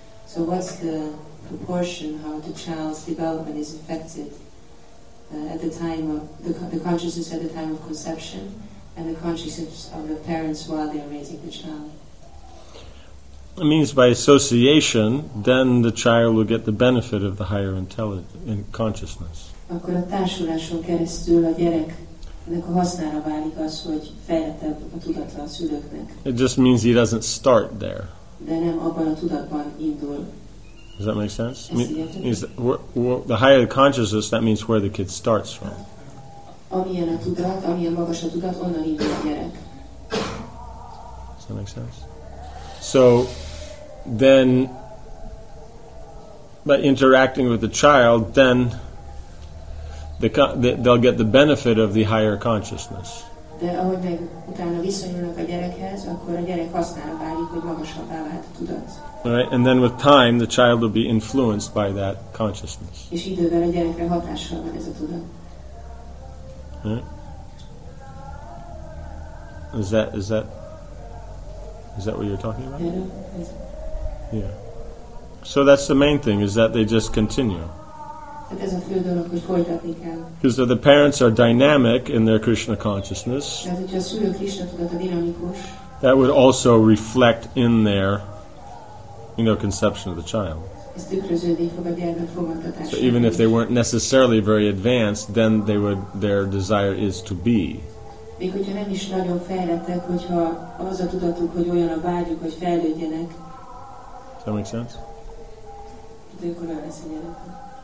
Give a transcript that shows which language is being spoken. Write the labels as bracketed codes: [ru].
[en] So what's the proportion, how the child's development is affected at the time of the consciousness at the time of conception and the consciousness of the parents while they're raising the child? It means by association, then the child will get the benefit of the higher intelligence and consciousness. [hu] Akkor a társuláson keresztül a gyereknek a hasznára válik az, hogy fejlettebb a tudat a szülőknek. [en] It just means he doesn't start there. [hu] De nem abban a tudatban indul. [en] Does that make sense? Means the higher the consciousness, that means where the kid starts from. [hu] Amilyen a tudat, amilyen magas a tudat, onnan indul a gyerek. [en] Does that make sense? So then, by interacting with the child, then they'll get the benefit of the higher consciousness. [hu] De ahogy meg utána viszonyulnak a gyerekhez, akkor a gyerek használva válik, hogy magasabbá vált a tudat. [en] All right, and then with time, the child will be influenced by that consciousness. [hu] És idővel a gyerekre hatással van ez a tudat. [en] Is that what you're talking about? Yeah. Yeah. So that's the main thing, is that they just continue. Because the parents are dynamic in their Krishna consciousness. That would also reflect in their, you know, conception of the child. So even if they weren't necessarily very advanced, then they would, their desire is to be. [hu] Még hogyha nem is nagyon fejlettek, hogyha az a tudatuk, hogy olyan a vágyuk, hogy fejlődjenek. [en] Does that make sense? [hu] De akkor nem lesz a gyerek.